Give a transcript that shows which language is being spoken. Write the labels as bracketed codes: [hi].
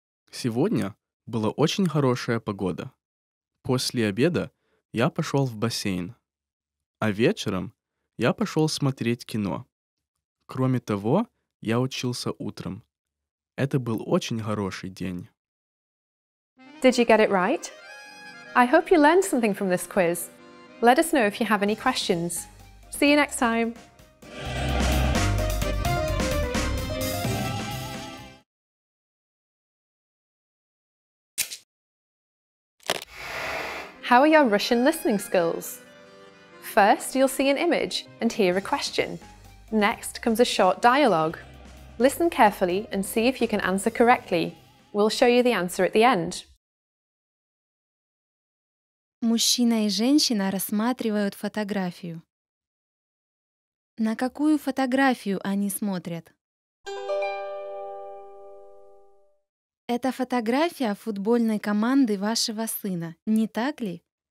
[ru] Сегодня была очень хорошая погода. После обеда я пошел в бассейн, а вечером я пошел смотреть кино. Кроме того, я учился утром. Это был очень хороший день. [en] Did you get it right? I hope you learned something from this quiz. Let us know if you have any questions. See you next time. How are your Russian listening skills? First, you'll see an image and hear a question. Next comes a short dialogue. Listen carefully and see if you can answer correctly. We'll show you the answer at the end. [ru] Мужчина и женщина рассматривают фотографию. На какую фотографию они смотрят? Это фотография футбольной команды вашего сына, не так ли?